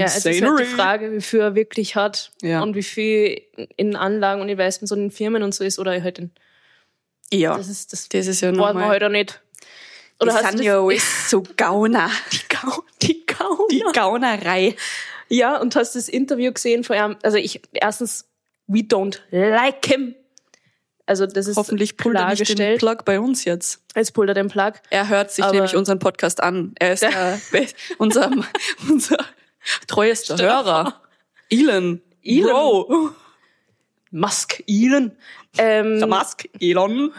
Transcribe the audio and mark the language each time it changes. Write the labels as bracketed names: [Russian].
[German] Ja, es ist halt die Frage, wie viel er wirklich hat ja. und wie viel in Anlagen und Investments und in Firmen und so ist. Oder halt in ja, das ist ja normal. Wollen wir heute nicht. Oder die Sanyo ist so Gauner. Die Gaunerei. Ja, und hast das Interview gesehen von ihm? Also ich, erstens, [English] we don't like him. [German] Also das ist hoffentlich pullt er nicht den Plug bei uns jetzt. Jetzt pullt er den Plug. Er hört sich nämlich unseren Podcast an. Er ist unser treuester Hörer. [English] Elon. Bro. [German] Musk. Elon. Der Musk. Elon.